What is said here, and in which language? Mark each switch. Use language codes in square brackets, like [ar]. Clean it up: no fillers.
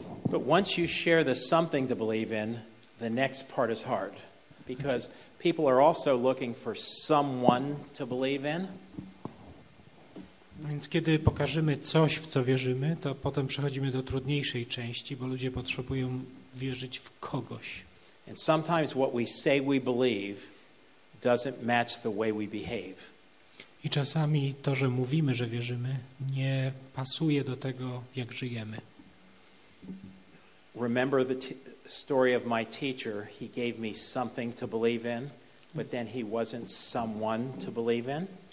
[en] But once you share the something to believe in, the next part is hard, because people are also looking for someone to believe in. [pl] Więc kiedy pokażemy coś, w co wierzymy, to potem przechodzimy do trudniejszej części, bo ludzie potrzebują wierzyć w kogoś. [en] And sometimes what we say we believe doesn't match the way we behave. [pl] I czasami to, że mówimy, że wierzymy, nie pasuje do tego, jak żyjemy. [en] Remember the story of my teacher. He gave me something to believe in, but then he wasn't someone to believe in.